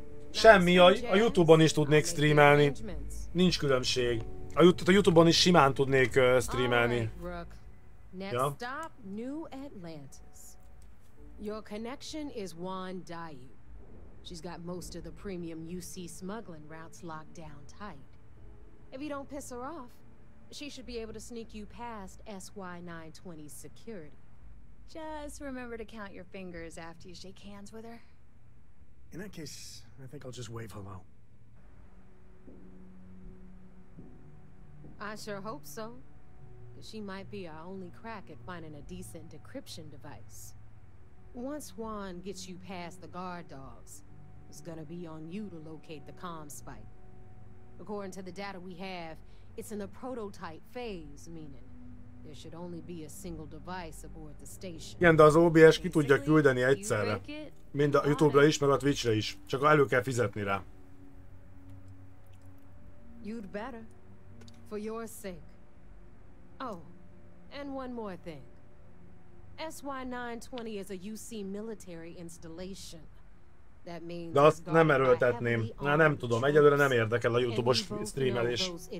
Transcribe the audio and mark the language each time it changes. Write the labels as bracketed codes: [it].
[hu] Semmi, a YouTube-on is tudnék streamelni. Nincs különbség. A YouTube-on is simán tudnék streamelni. [en] Next ja. Stop, New Atlantis. Your connection is Juan Dayu. She's got most of the premium UC smuggling routes locked down tight. If you don't piss her off, she should be able to sneak you past SY920's security. Just remember to count your fingers after you shake hands with her. In that case, I think I'll just wave hello. I sure hope so. She might be our only crack at finding a decent decryption device. Once Juan gets you past the guard dogs, it's gonna be on you to locate the comm spike. According to the data we have, it's in the prototype phase, meaning there should only be a single device aboard the station. [hu] Igen, de az OBS ki tudja küldeni egyszerre. Mind a YouTube-ra is, meg a Twitch-re is. Csak elő kell fizetni rá. [en] You'd better. For your sake. Oh, and one more thing. SY920 is a UC military installation. That means [hu] de azt nem erőltetném. Na, nem tudom, egyelőre nem érdekel a YouTube-os streamelés.